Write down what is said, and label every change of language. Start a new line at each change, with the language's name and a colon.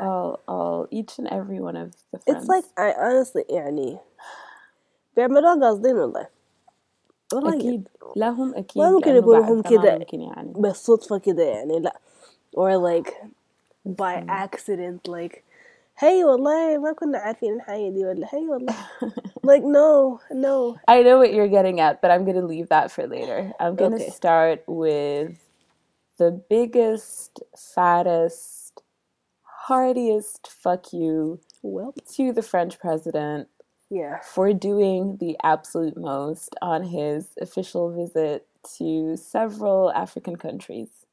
English: All each and every one of the fronts. It's like, I honestly, Annie. Bare metal girls, they know that.
Arabic: أكيد. لهم أكيد. ما ممكن يقولهم كده. بالصدفة كده يعني لا.
English: Or like, by accident, like.
Arabic: Hey, wallahi, ما كنا عارفين الحياة دي ولا hey, wallahi.
English: Like, no. I know what you're getting at, but I'm going to leave that for later. I'm going to start with the biggest, fattest, heartiest fuck you to the French president for doing the absolute most on his official visit to several African countries.